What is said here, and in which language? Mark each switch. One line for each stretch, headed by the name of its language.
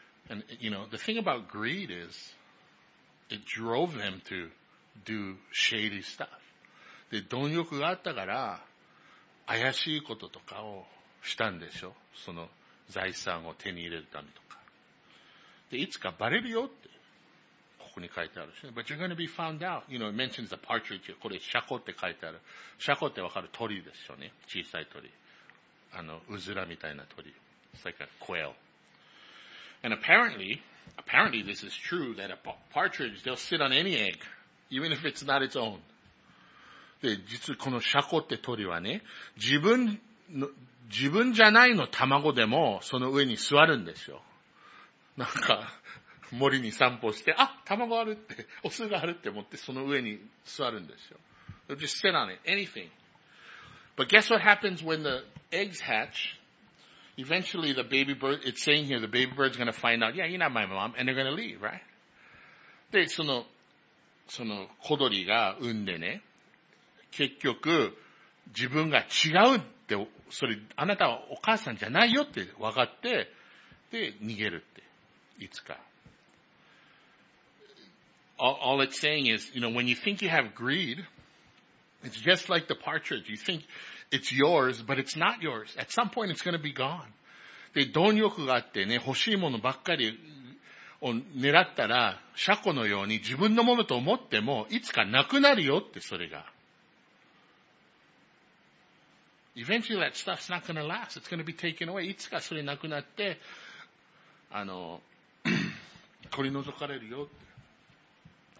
English: And you know, the thing about greed is, it drove them to do shady stuff.
Japanese: で、貪欲があったから、怪しいこととかをしたんでしょ。その財産を手に入れるためとか。で、いつかバレるよって、ここに書いてあるし。
English: But you're gonna be found out. You know, it mentions the partridge.
Japanese: これ、シャコって書いてある。シャコってわかる鳥でしょうね。小さい鳥。あの、ウズラみたいな鳥。
English: It's like a quail. And apparently this is true that a partridge, they'll sit on any egg, even if it's not its own.
Japanese: で、実はこのシャコって鳥はね、自分じゃないの卵でもその上に座るんですよ。なんか森に散歩して、あ、卵あるって、オスがあるって思ってその上に座るんですよ。
English: They'll just sit on it, anything. But guess what happens when the eggs hatch? Eventually the baby bird, it's saying here, the baby bird's gonna find out, yeah, you're not my mom, and they're gonna leave, right?
Japanese: で、その小鳥が産んでね、結局、自分が違うって、それ、あなたはお母さんじゃないよって分かって、で、逃げるって。いつか。
English: All it's saying is, you know, when you think you have greed, it's just like the partridge. You think it's yours, but it's not yours. At some point, it's gonna be gone.
Japanese: で、貪欲があってね、欲しいものばっかりを狙ったら、シャコのように自分のものと思っても、いつかなくなるよって、それが。
English: Eventually that stuff's not gonna last. It's gonna be taken away.
Japanese: いつかそれなくなって、あの、取り除かれるよって。